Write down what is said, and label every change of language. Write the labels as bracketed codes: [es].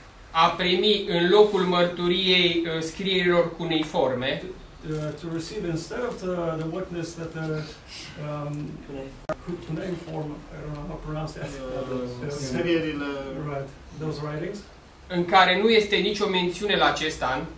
[ro] A primi în locul mărturiei scrierilor cuneiforme [en] to receive instead of the witness that the cuneiform, I don't know how to pronounce that, [ro] scrierile, [en] right, those writings, [ro] în care nu este nicio mențiune la acest an,